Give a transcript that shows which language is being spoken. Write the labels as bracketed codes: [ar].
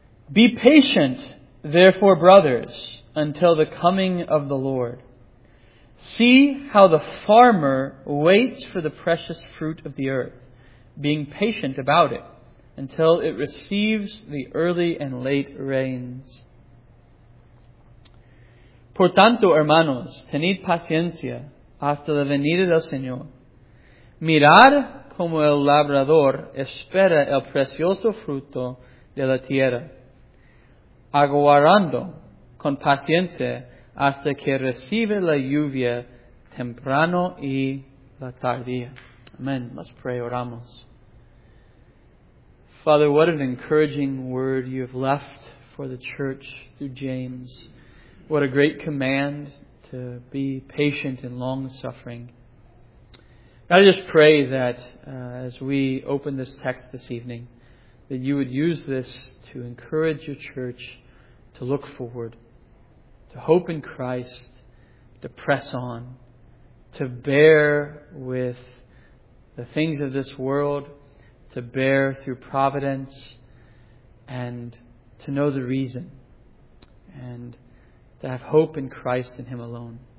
[en] Be patient, therefore, brothers, until the coming of the Lord. See how the farmer waits for the precious fruit of the earth, being patient about it, until it receives the early and late rains. [es] Por tanto, hermanos, tened paciencia hasta la venida del Señor. Mirad como el labrador espera el precioso fruto de la tierra, aguardando con paciencia hasta que recibe la lluvia temprano y la tardía. [en] Amen. Let's pray. [es] Oramos. [en] Father, what an encouraging word you have left for the church through James. What a great command to be patient and long-suffering. I just pray that as we open this text this evening, that you would use this to encourage your church to look forward, to hope in Christ, to press on, to bear with the things of this world, to bear through providence, and to know the reason, and to have hope in Christ and Him alone.